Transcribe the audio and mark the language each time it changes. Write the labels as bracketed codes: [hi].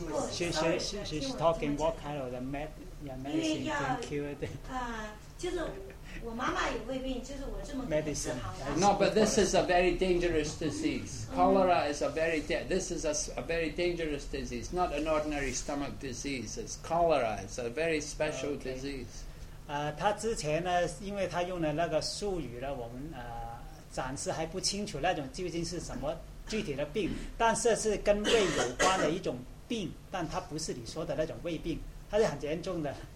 [en] She's talking what kind of the medicine cured. [zh] 就是我妈妈有胃病，就是我这么。 [en] Medicine. No, but this is a very dangerous disease. Cholera is a very this is a very dangerous disease. Not an ordinary stomach disease. It's cholera. It's a very special disease. [zh] 他之前呢，因为他用的那个术语呢，我们暂时还不清楚那种究竟是什么具体的病，但是跟胃有关的一种病，但它不是你说的那种胃病，它是很严重的。